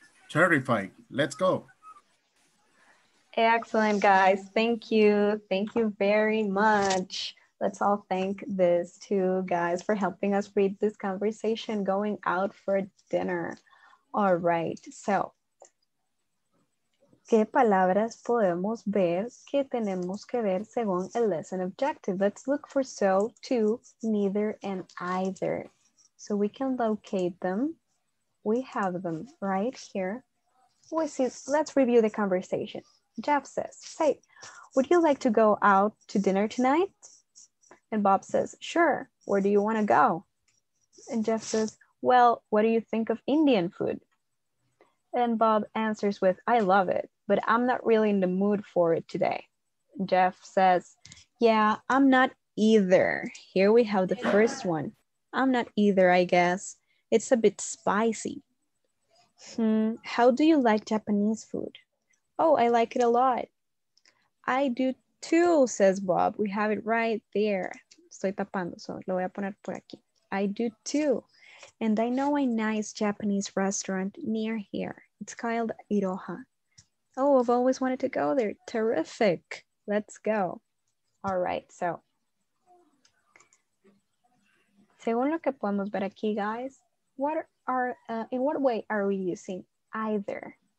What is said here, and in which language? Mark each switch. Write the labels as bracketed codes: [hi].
[en] Terrific. Let's go. Excellent, guys. Thank you. Thank you very much. Let's all thank these two guys for helping us read this conversation going out for dinner. All right. [es] So, ¿qué palabras podemos ver que tenemos que ver según el lesson objective? [en] Let's look for so, to, neither, and either. So we can locate them. We have them right here. We see, let's review the conversation. Jeff says, hey, would you like to go out to dinner tonight? And Bob says, sure, where do you want to go? And Jeff says, well, what do you think of Indian food? And Bob answers with, I love it, but I'm not really in the mood for it today. And Jeff says, yeah, I'm not either. Here we have the first one. I'm not either, I guess. It's a bit spicy. How do you like Japanese food? Oh, I like it a lot. I do too, says Bob. We have it right there. [es] Estoy tapando, so lo voy a poner por aquí. [en] I do too. And I know a nice Japanese restaurant near here. It's called Iroha. Oh, I've always wanted to go there. Terrific. Let's go. All right, so. [es] Según lo que podemos ver aquí, [en] guys, in what way are we using either?